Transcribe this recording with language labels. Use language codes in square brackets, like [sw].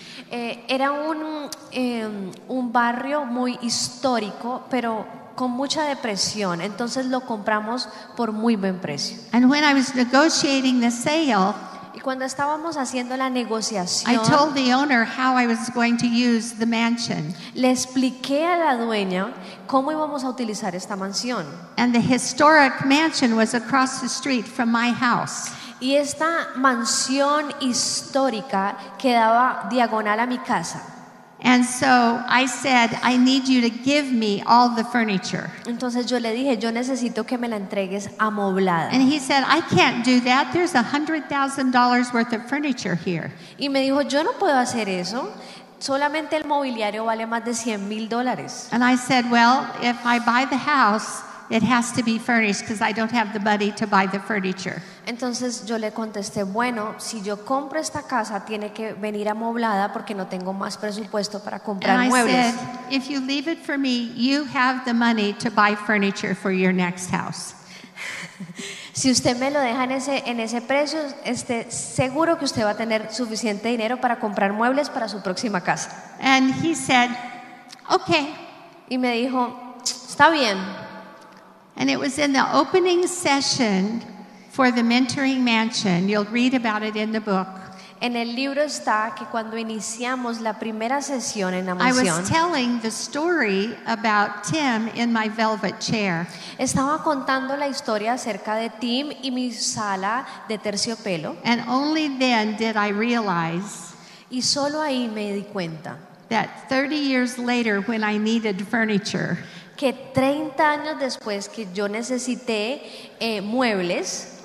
[es] Era un barrio muy histórico, pero con mucha depresión, entonces lo compramos por muy buen precio. [en] And when I was negotiating the sale, [es] y cuando estábamos haciendo la negociación, [en] I told the owner how I was going to use the mansion. [es] Le expliqué a la dueña cómo íbamos a utilizar esta mansión. [en] And the historic mansion was across the street from my house. [es] Y esta mansión histórica quedaba diagonal a mi casa. [en] And so I said, I need you to give me all the furniture. [es] Entonces yo le dije, yo necesito que me la entregues amoblada. [en] And he said, I can't do that. There's $100,000 worth of furniture here. [es] Y me dijo, yo no puedo hacer eso. Solamente el mobiliario vale más de $100,000. [en] And I said, well, if I buy the house, it has to be furnished because I don't have the money to buy the furniture. [es] Entonces yo le contesté, bueno, si yo compro esta casa tiene que venir amoblada porque no tengo más presupuesto para comprar [en] and [es] muebles. [en] I said, if you leave it for me, you have the money to buy furniture for your next house. [es] Si usted me lo deja en ese precio, esté seguro que usted va a tener suficiente dinero para comprar muebles para su próxima casa. [en] And he said, okay. [es] Y me dijo, está bien. [en] And it was in the opening session for the mentoring mansion. You'll read about it in the book. [es] En el libro está que cuando iniciamos la primera sesión en la mansión, [en] I was telling the story about Tim in my velvet chair. [es] Estaba contando la historia acerca de Tim y mi sala de terciopelo. [en] And only then did I realize, [es] y solo ahí me di cuenta, [en] that 30 years later when I needed furniture, [es] que 30 años después que yo necesité muebles,